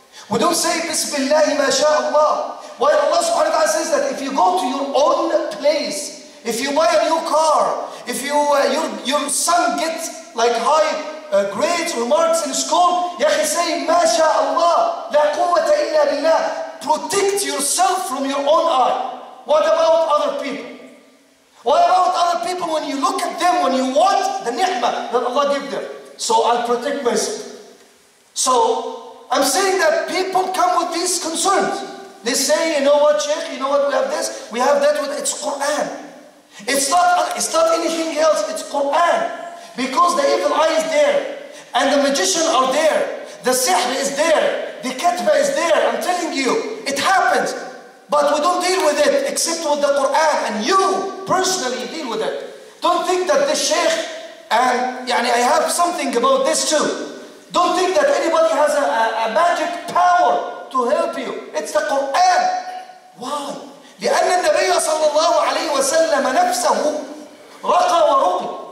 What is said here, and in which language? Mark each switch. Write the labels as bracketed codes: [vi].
[en] We don't say [ar] بسم الله ما شاء الله. [en] Why Allah [ar] سبحانه وتعالى [en] says that if you go to your own place, if you buy a new car, if you your son gets like high grades remarks in school, يا أخي say [ar] ما شاء الله لا قوة إلا بالله. [en] Protect yourself from your own eye. What about other people? What about other people when you look at them, when you want the ni'mah that Allah gave them? So I'll protect myself. So I'm saying that people come with these concerns. They say, you know what, Sheikh, you know what, we have this, we have that, it's Quran. It's not anything else, it's Quran. Because the evil eye is there, and the magician are there, the sihr is there, the katba is there, I'm telling you, it happens. But we don't deal with it except with the Quran, and you personally deal with it. Don't think that this Sheikh, and yani I have something about this too. Don't think that anybody has a magic power to help you. It's the Quran. Why? [ar] لأن النبي صلى الله عليه وسلم نفسه رقى ورقي.